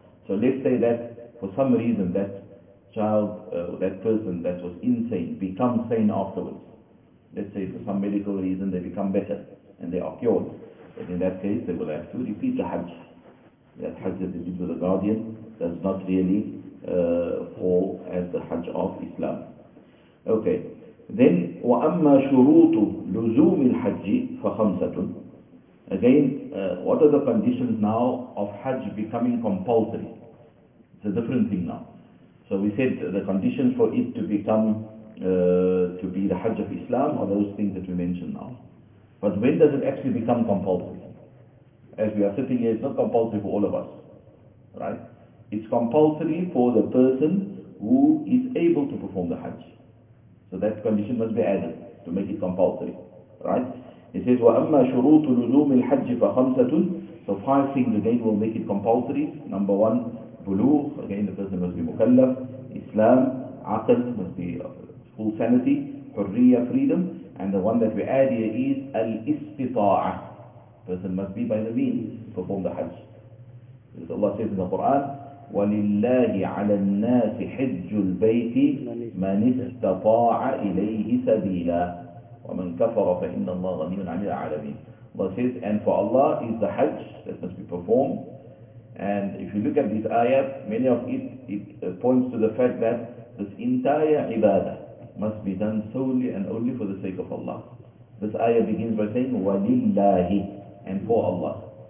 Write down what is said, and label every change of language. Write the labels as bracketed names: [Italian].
[English] So let's say that for some reason that child, that person that was insane, becomes sane afterwards. Let's say for some medical reason they become better and they are cured. But in that case they will have to repeat the Hajj. That Hajj that they did with the guardian does not really fall as the Hajj of Islam. Okay, then [Arabic] وَأَمَّا شُرُوطُ لُزُومِ الْحَجِّ فَخَمْسَةٌ. [English] Again, what are the conditions now of Hajj becoming compulsory? It's a different thing now. So we said the conditions for it to become, to be the Hajj of Islam are those things that we mentioned now. But when does it actually become compulsory? As we are sitting here, it's not compulsory for all of us, right? It's compulsory for the person who is able to perform the Hajj. So that condition must be added to make it compulsory, right? He says, [Arabic] وَأَمَّا شُرُوطُ لُزُومِ الْحَجِّ فَخَمْسَةٌ. [English] So five things again will make it compulsory. Number one, بلوغ, again the person must be مكلف. Islam, عقل, must be full sanity. حُرِّيَّة, freedom. And the one that we add here is الْإِسْتِطَاعَةِ. Person must be by the means to perform the Hajj. Because Allah says in the Quran, [Arabic] وَلِلَّهِ عَلَى النَّاسِ حِجُّ الْبَيْتِ مَنِ اسْتَطَاعَ إِلَيْهِ سَبِيلًا. وَمَنْ كَفَرَ فَإِنَّ اللَّهَ غَنِيٌّ عَنِ الْعَالَمِينَ. [English] Allah says, and for Allah is the Hajj that must be performed. And if you look at these ayat, many of it points to the fact that this entire ibadah must be done solely and only for the sake of Allah. This ayah begins by saying, وَلِلَّهِ, and for Allah.